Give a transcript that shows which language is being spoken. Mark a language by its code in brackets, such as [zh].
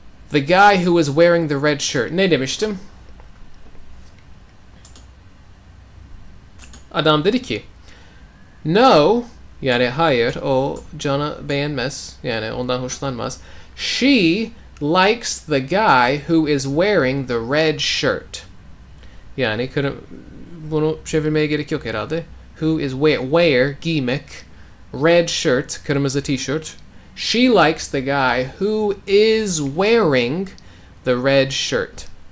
[en] The guy who was wearing the red shirt. [tr] Ne demiştim? Adam dedi ki, no, yani hayır, o John'a beğenmez, yani ondan hoşlanmaz. [en] She likes the guy who is wearing the red shirt. [tr] Yani bunu çevirmeye gerek yok herhalde. [en] Who is wear [tr] giymek, [en] red shirt, [tr] kırmızı t-shirt. [en] She likes the guy who is wearing the red shirt.